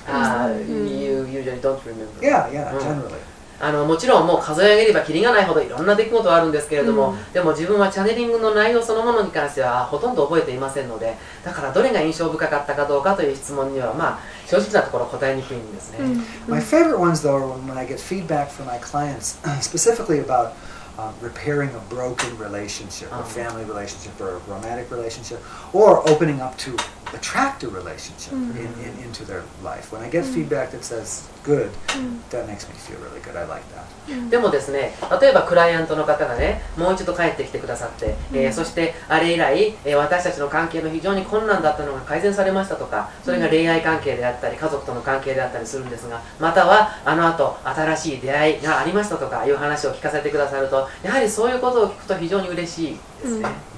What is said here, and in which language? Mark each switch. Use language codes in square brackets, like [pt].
[en] Ah, you usually don't remember. Yeah, generally. [ja] あのもちろんもう数え上げればキリがないほどいろんな出来事があるんですけれども、でも自分はチャネリングの内容そのものに関してはほとんど覚えていませんので、だからどれが印象深かったかどうかという質問にはまあ正直なところ答えにくいんですね。 [en] My favorite ones, though, are when I get feedback from my clients specifically about. Repairing a broken relationship, a family relationship, or a romantic relationship, or opening up to attract a relationship into their life. When I get feedback that says good, that makes me feel really good. I like that. [ja] でもですね、例えばクライアントの方がね、もう一度帰ってきてくださって、そしてあれ以来、私たちの関係の非常に困難だったのが改善されましたとか、それが恋愛関係であったり、家族との関係であったりするんですが、またはあのあと新しい出会いがありましたとかいう話を聞かせてくださると、やはりそういうことを聞くと非常に嬉しいですね。